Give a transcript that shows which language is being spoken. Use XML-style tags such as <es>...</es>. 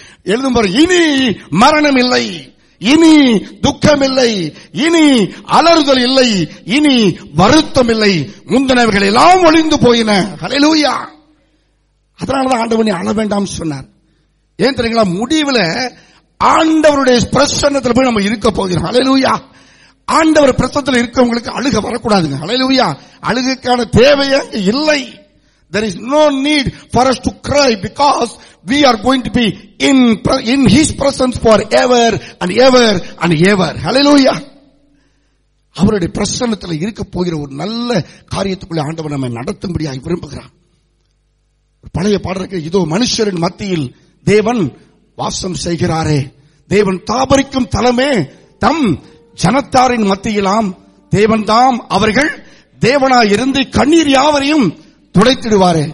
<ta>எழுதும் போற, இனி மரணம் இல்லை, இனி துக்கம் இல்லை, இனி அலறுதல் இல்லை, இனி வருத்தம் இல்லை, முந்தினவைகள் எல்லாம் ஒழிந்து போயின. ஹல்லேலூயா. அதனாலதான் ஆண்டவர் நீ அழ வேண்டாம் சொன்னார். ஏன் தெரியுங்களா? முடிவுல ஆண்டவருடைய பிரசன்னத்தில் போய் நம்ம இருக்க போகிறோம். ஹல்லேலூயா. ஆண்டவர் பிரசத்தில் இருக்கிறவங்களுக்கு அழுக வரக்கூடாதுங்க. அல்லேலூயா. அழுகுக்கான தேவையே இல்லை.</ta> <en>There is no need for us to cry because we are going to be in His presence forever and ever and ever. Hallelujah.</en> <ta>அவருடைய பிரசன்னத்தில் இருக்க போகிற ஒரு நல்ல காரியத்துக்குள்ள ஆண்டவர் நம்மை நடத்தும்படியாக விரும்புகிறார். பழைய பாடலுக்கு, இதோ மனுஷரின் மத்தியில் தேவன் வாசம் செய்கிறாரே, தேவன் தாபரிக்கும் தலமே தம் ஜனத்தாரின் மத்தியிலாம் தேவன்தாம், அவர்கள் தேவனாயிருந்து கண்ணீர் யாவரையும் துடைத்திடுவாரே.</ta>